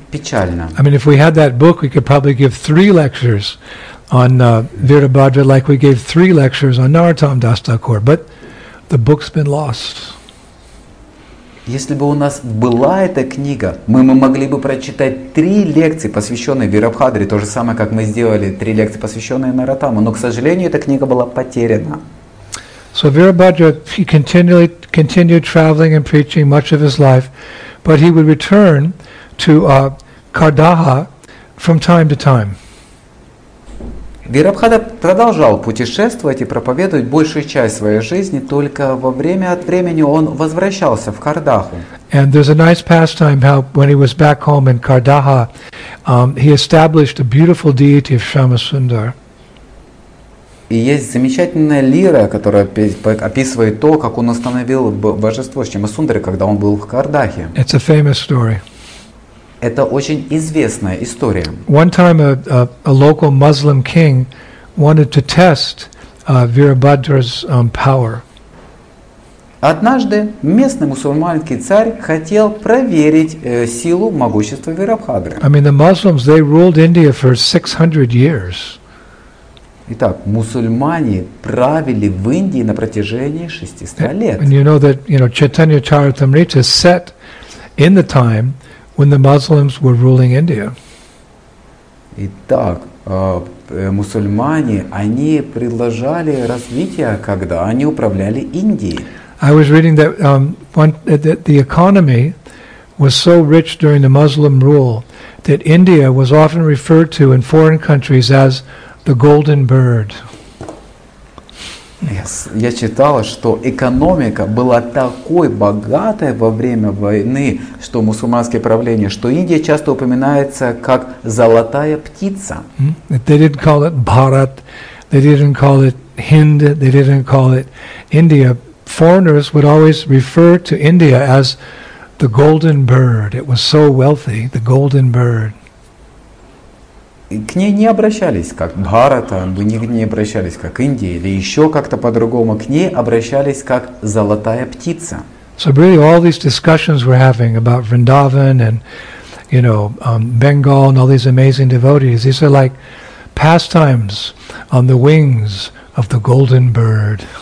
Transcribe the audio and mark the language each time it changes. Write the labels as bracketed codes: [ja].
[en] I mean, if we had that book, we could probably give three lectures on Virabhadra, like we gave three lectures on Narottam Das Thakur. But the book's been lost. [ru] Если бы у нас была эта книга, мы могли бы прочитать три лекции, посвященные Вирабхадре, то же самое, как мы сделали три лекции, посвященные Нарутаму. Но, к сожалению, эта книга была потеряна. [en] So Virabhadra, he continued traveling and preaching much of his life, but he would return to Кардаха from time to time. [ru] Вирабхада продолжал путешествовать и проповедовать большую часть своей жизни, только во время от времени он возвращался в Кардаху. [en] And there's a nice pastime how when he was back home in Кардаха, he established a beautiful deity of Shyamasundara. [ru] И есть замечательная лира, которая описывает то, как он установил божество Шьямасундары, когда он был в Кардахе. [en] It's a famous story. [ru] Это очень известная история. [en] One time a local Muslim king wanted to test Virabhadra's power. [ru] Однажды местный мусульманский царь хотел проверить силу могущества Вирабхадры. [en] I mean, the Muslims, they ruled India for 600 years. [ru] Итак, мусульмане правили в Индии на протяжении 600 лет. [en] And you know that, you know, Chaitanya Charitamrita set in the time when the Muslims were ruling India. [ru] Итак, мусульмане, они предложили развитие, когда они управляли Индией. [en] I was reading that the economy was so rich during the Muslim rule that India was often referred to in foreign countries as the golden bird. Yes. [ru] Я читал, что экономика была такой богатой во время войны, что мусульманское правление, что Индия часто упоминается как золотая птица. [en] They didn't call it Bharat, they didn't call it Hind, they didn't call it India. Foreigners would always refer to India as the golden bird. It was so wealthy, the golden bird. [ru] К ней не обращались как Бхарата, мы не обращались как Индия или еще как-то по-другому, к ней обращались как золотая птица. [en] So really all these discussions we're having about Vrindavan and, you know, Bengal and all these amazing devotees, these are like pastimes on the wings of the golden bird.